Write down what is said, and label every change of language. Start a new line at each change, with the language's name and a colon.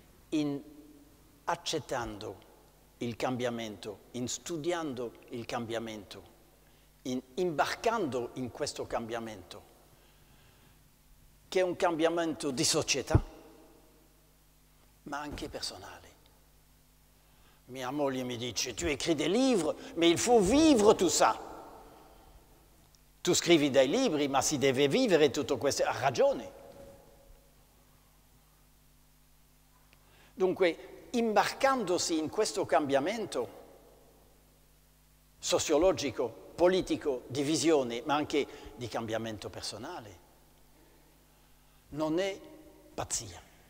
Italian: In accettando il cambiamento, in studiando il cambiamento, in imbarcando in questo cambiamento, che è un cambiamento di società, ma anche personale. Mia moglie mi dice:
French: "Tu écris des livres, mais il faut vivre tout ça."
Italian: Tu scrivi dei libri, ma si deve vivere tutto questo. Ha ragione. Dunque, imbarcandosi in questo cambiamento sociologico, politico, di visione, ma anche di cambiamento personale, non è pazzia.